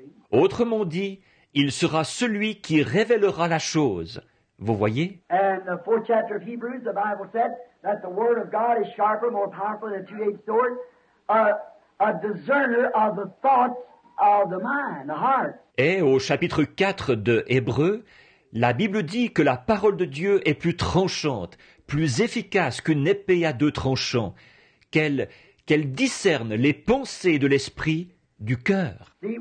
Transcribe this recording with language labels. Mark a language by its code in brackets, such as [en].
[fr] Autrement dit, il sera celui qui révélera la chose. Vous voyez? [en] And the 4th chapter of Hebrews, the Bible said that the word of God is sharper, more powerful than a two-edged sword, a discerner of the thoughts of the mind, the heart. [fr] Et au chapitre 4 de Hébreux, la Bible dit que la parole de Dieu est plus tranchante, plus efficace qu'une épée à deux tranchants, qu'elle discerne les pensées de l'esprit du cœur.